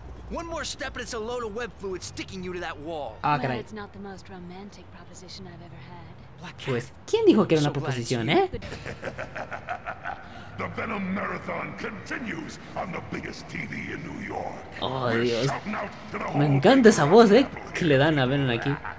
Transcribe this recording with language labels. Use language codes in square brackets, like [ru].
[en] One more step and it's a load of web fluid sticking you to that wall. [es] Ah, caray. [en] Well, it's not the most romantic proposition I've ever had. [es] Pues, ¿quién dijo que era una proposición, eh? [en] The Venom Marathon continues on the biggest TV in New York. [es] Oh, Dios. Me encanta esa voz, eh, que le dan a Venom aquí.